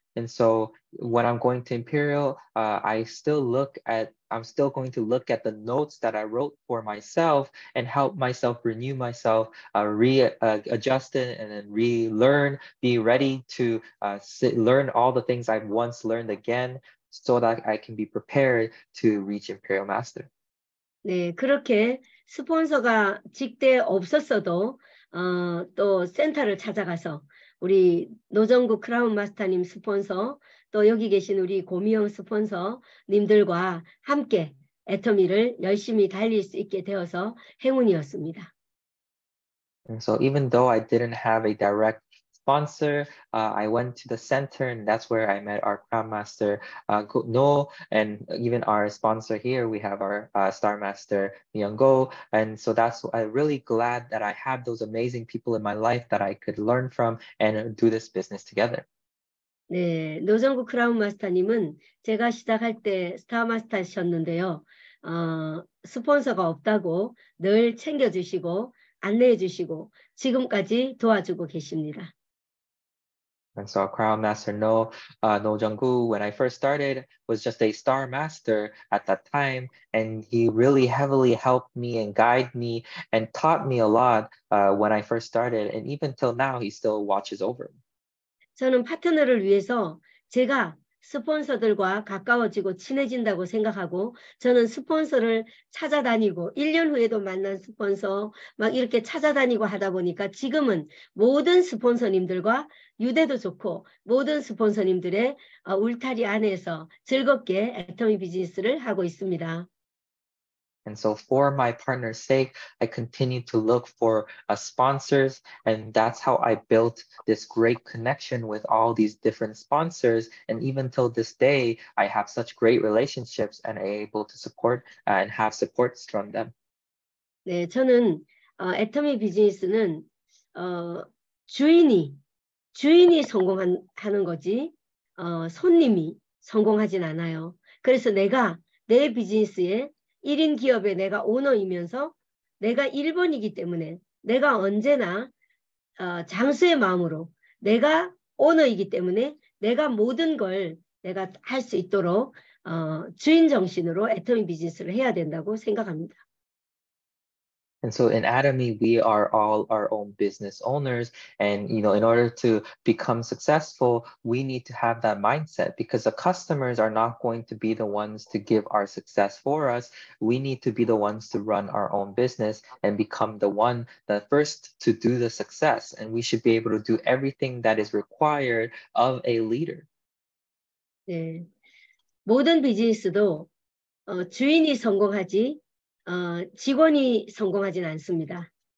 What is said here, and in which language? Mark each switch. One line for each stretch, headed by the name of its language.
English: And so when I'm going to imperial, I'm still going to look at the notes that I wrote for myself and help myself renew myself, readjust it and then relearn, be ready to learn all the things I've once learned again so that I can be prepared to reach Imperial Master.
Korean: 네, 그렇게 스폰서가 직대 없었어도 또 센터를 찾아가서 우리 노정구 크라운 마스터님 스폰서 또 여기 계신 우리 고미영 스폰서님들과 함께 애터미를 열심히 달릴 수 있게 되어서 행운이었습니다.
English: And so even though I didn't have a direct sponsor, I went to the center and that's where I met our Crown Master Noel and even our sponsor here, we have our Star Master Myung Go. And so that's I'm really glad that I have those amazing people in my life that I could learn from and do this business together.
Korean: 네, 노정구 크라운 마스터님은 제가 시작할 때 스타 마스터셨는데요. 스폰서가 없다고 늘 챙겨주시고 안내해주시고 지금까지 도와주고 계십니다.
English: And so Crown Master No Jung-gu, when I first started, was just a star master at that time. And he really heavily helped me and guide me and taught me a lot when I first started. And even till now, he still watches over me.
Korean: 저는 파트너를 위해서 제가 스폰서들과 가까워지고 친해진다고 생각하고 저는 스폰서를 찾아다니고 1년 후에도 만난 스폰서 막 이렇게 찾아다니고 하다 보니까 지금은 모든 스폰서님들과 유대도 좋고 모든 스폰서님들의 울타리 안에서 즐겁게 애터미 비즈니스를 하고 있습니다.
English: And so for my partner's sake, I continue to look for sponsors, and that's how I built this great connection with all these different sponsors. And even till this day, I have such great relationships and able to support and have supports from them.
Korean: 네, 저는 애터미 비즈니스는 주인이 성공하는 거지 손님이 성공하진 않아요. 그래서 내가 내 비즈니스에 1인 기업에 내가 오너이면서 내가 1번이기 때문에 내가 언제나 장수의 마음으로 내가 오너이기 때문에 내가 모든 걸 내가 할 수 있도록 주인 정신으로 애터미 비즈니스를 해야 된다고 생각합니다.
English: And so in Atomy, we are all our own business owners. And, you know, in order to become successful, we need to have that mindset because the customers are not going to be the ones to give our success for us. We need to be the ones to run our own business and become the one that first to do the success. And we should be able to do everything that is required of a leader.
Korean: 네. 모든 비즈니스도 주인이 성공하지 직원이 성공하진 않습니다.